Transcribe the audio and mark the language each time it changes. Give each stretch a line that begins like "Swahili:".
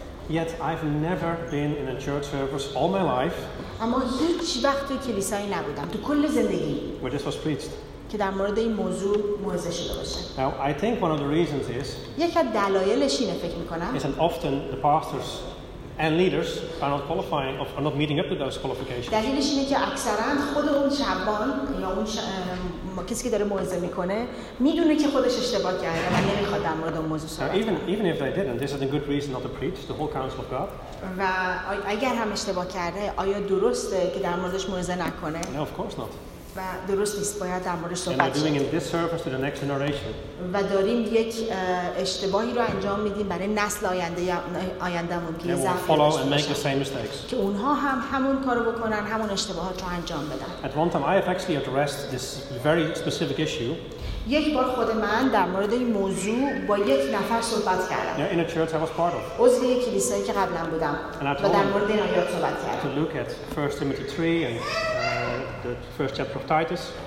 English: Yet I've never been in a church service all my life.
Persian: اما هیچ وقت توی کلیسایی نبودم تو کل زندگی.
English: Where this was preached.
Persian: که در مورد این موضوع موعظه شده باشه.
English: Now I think one of the reasons is.
Persian: یکی از دلایلش اینه فکر میکنم.
English: Is that often the pastors and leaders are not qualifying or are not meeting up to those qualifications.
Persian: دلیلش اینه که اکثرا خود اون شبان یا اون کسی که داره موعظه میکنه میدونه که خودش اشتباه کرده و نمیخواد در مورد اون موضوع صحبت کنه.
English: Even if they didn't, this is a good reason not to preach the whole counsel of God.
Persian: و اگر هم اشتباه کرده آیا درسته که در موردش موعظه نکنه؟
English: No, of course not.
Persian: و درست نیست، باید در موردش صحبت کنیم.
English: Doing in this service to the next generation.
Persian: و داریم یک اشتباهی رو انجام میدیم برای نسل آینده آیندهمون که زحمت کشیدن.
English: Follow and make the same mistakes.
Persian: که اونها هم همون کارو بکنن، همون اشتباهات رو انجام بدن.
English: At one time I have actually addressed this very specific issue.
Persian: یک بار خود من در مورد این موضوع با یک نفر صحبت کردم.
English: Yeah, in a church I was part of.
Persian: عضو یک کلیسایی که قبلا بودم. و در مورد این آیات صحبت کردم.
English: To look at 1 Timothy 3 and the first chapter of Titus.